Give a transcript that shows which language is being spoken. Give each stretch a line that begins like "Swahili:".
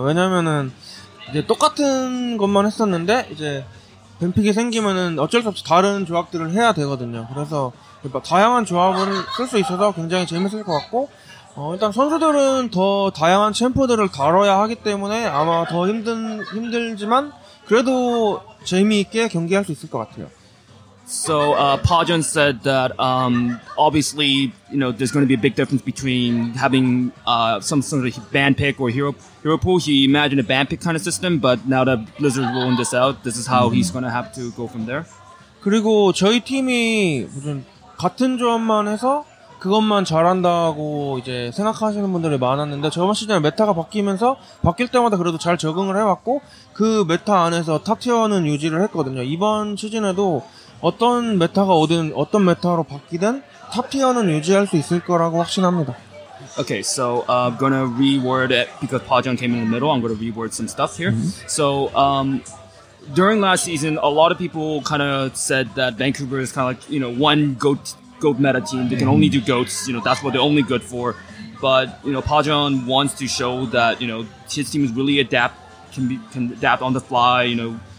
Korean: 왜냐면은 이제 똑같은 것만 했었는데 이제 뱀픽이 생기면은 어쩔 수 없이 다른 조합들을 해야 되거든요. 그래서 다양한 조합을 쓸 수 있어서 굉장히 재밌을 것 같고 일단 선수들은 더 다양한 챔프들을 다뤄야 하기 때문에 아마 더 힘들지만 그래도 재미있게 경기할 수 있을 것 같아요.
English: So, Pajun said that obviously, you know, there's going to be a big difference between having some sort of ban pick or hero pool. He imagined a ban pick kind of system, but now that Blizzard ruling this out, this is how he's going to have to go from there.
Korean: 그리고 저희 팀이 무슨 같은 조합만 해서 그것만 잘한다고 이제 생각하시는 분들이 많았는데 저번 시즌에 메타가 바뀌면서 바뀔 때마다 그래도 잘 적응을 해왔고 그 메타 안에서 탑티어는 유지를 했거든요. 이번 시즌에도 어떤 메타가 오든 어떤 메타로 바뀌든 탑티어는 유지할 수 있을 거라고 확신합니다.
English: Okay, so I'm gonna reword it because Pajun came in the middle. I'm gonna reword some stuff here. So during last season, a lot of people kind of said that Vancouver is kind of like, you know, one goat meta team. They can only do goats. You know, that's what they're only good for. But you know, Pajun wants to show that, you know, his team is really can adapt on the fly. You know.